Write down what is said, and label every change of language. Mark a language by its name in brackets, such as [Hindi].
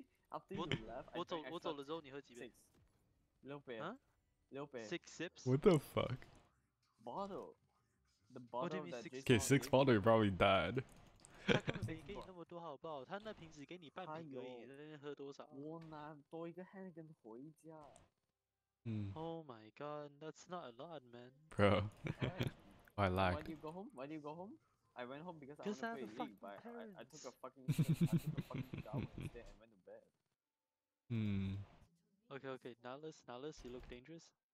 [English] After you left, I drank extra [Chinese] 我走了之后你喝几杯? 六杯 六杯 [English] 6 sips? What the fuck? Bottle. The bottle that just drank. Okay, 6 bottle, you probably died. [Chinese] 他根本没给你那么多好不好?他那瓶子给你半瓶而已，那喝多少? 我拿多一个 Hannigan 回家。 [English] Oh my god, that's not a lot, man. Bro. I lag. Why do you go home? Why do you go home? I went home because I wanted to play League, but parents. I took a fucking shit. I took a fucking shower instead and went to bed. Hmm. Okay. Nautilus, you look dangerous.